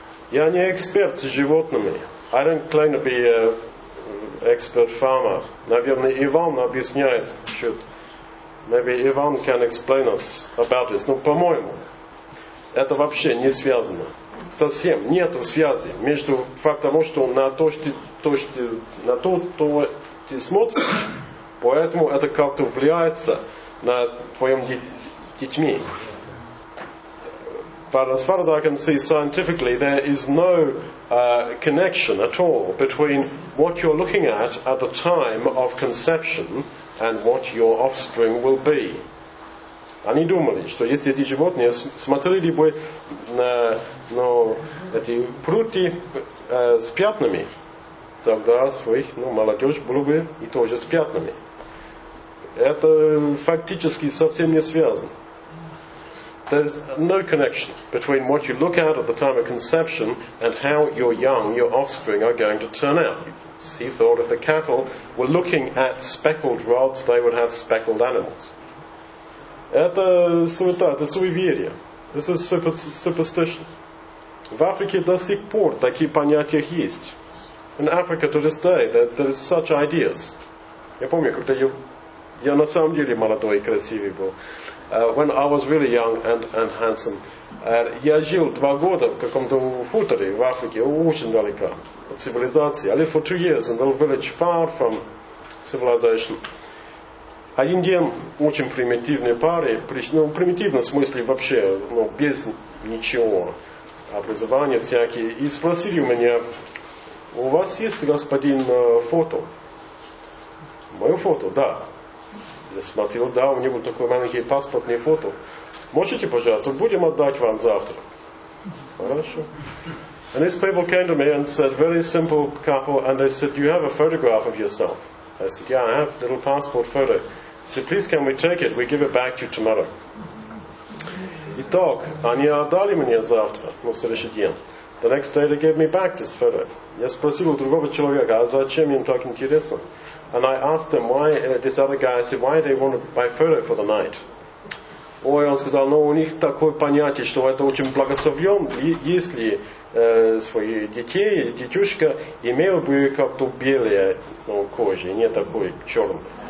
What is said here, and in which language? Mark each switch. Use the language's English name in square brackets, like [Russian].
[Russian] Я не эксперт с животными. [English] I don't claim to be an expert farmer. [Russian] Наверное, Иван объясняет. [English] Should. Maybe Иван can explain us about this. [Russian] Но, по-моему, это вообще не связано. Совсем нету связи между фактом, что на то, что ты, на то, что ты смотришь, поэтому это как-то влияется на твоим детьми. [English] But as far as I can see scientifically, there is no connection at all between what you're looking at the time of conception and what your offspring will be. [Russian] Они думали, что если эти животные смотрели бы на, ну, эти прутья с пятнами, тогда своих, ну, молодежь было бы и тоже с пятнами. Это фактически совсем не связано. [English] There's no connection between what you look at the time of conception and how your young, your offspring, are going to turn out. He thought if the cattle were looking at speckled rods, they would have speckled animals. [Russian] Это суета, это суеверие. [English] This is superstition. [Russian] В Африке до сих пор такие понятия есть. [English] In Africa to this day, there is such ideas. [Russian] Я помню, когда я на самом деле молодой и красивый был. [English] When I was really young and handsome. [Russian] Я жил 2 года в каком-то хуторе в Африке, очень далеко от цивилизации. [English] I lived for 2 years in a little village far from civilization. [Russian] Один день очень примитивные пары, ну, примитивно в смысле вообще, ну, без ничего, образования всякие, и спросили у меня, у вас есть, господин, фото? Мое фото, да. Я смотрел, да, у него такой маленький паспортный фото. Можете, пожалуйста, будем отдать вам завтра. Хорошо. [English] And these people came to me and said, very simple couple, and they said, do you have a photograph of yourself? I said, yeah, I have a little passport photo. He said, please can we take it? We give it back to you tomorrow. [Russian] Итак, они отдали мне завтра, на следующий день. [English] The next day they gave me back this photo. [Russian] Я спросил у другого человека, а зачем им так интересно? [English] And I asked them why this other guy, I said, why they wanted my photo for the night. [Russian] Ой, он сказал, ну у них такое понятие, что это очень благословен, если свои детей, детюшка, имел бы как-то белое, ну, кожи, не такой черный.